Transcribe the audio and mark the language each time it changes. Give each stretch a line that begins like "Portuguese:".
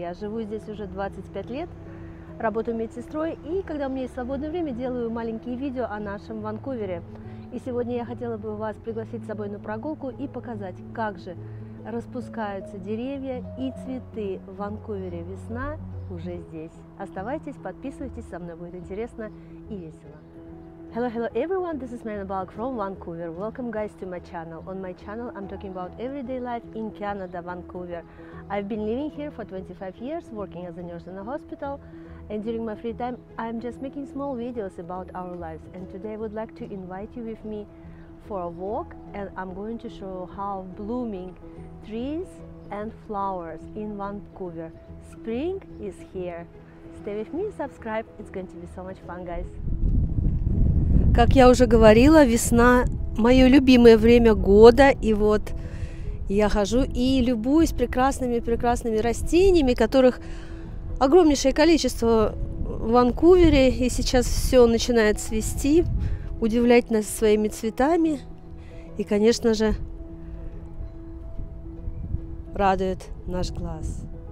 Russian: Я живу здесь уже 25 лет, работаю медсестрой, и когда у меня есть свободное время, делаю маленькие видео о нашем Ванкувере. И сегодня я хотела бы вас пригласить с собой на прогулку и показать, как же распускаются деревья и цветы в Ванкувере. Весна уже здесь. Оставайтесь, подписывайтесь, со мной будет интересно и весело.
English: Hello, hello everyone, this is Mary Balak from Vancouver. Welcome guys to my channel. On my channel, I'm talking about everyday life in Canada, Vancouver. I've been living here for 25 years, working as a nurse in a hospital, and during my free time, I'm just making small videos about our lives. And today I would like to invite you with me for a walk, and I'm going to show how blooming trees and flowers in Vancouver. Spring is here. Stay with me, subscribe. It's going to be so much fun, guys.
Russian: Как я уже говорила, весна – мое любимое время года, и вот я хожу и любуюсь прекрасными-прекрасными растениями, которых огромнейшее количество в Ванкувере, и сейчас все начинает цвести, удивлять нас своими цветами, и, конечно же, радует наш глаз.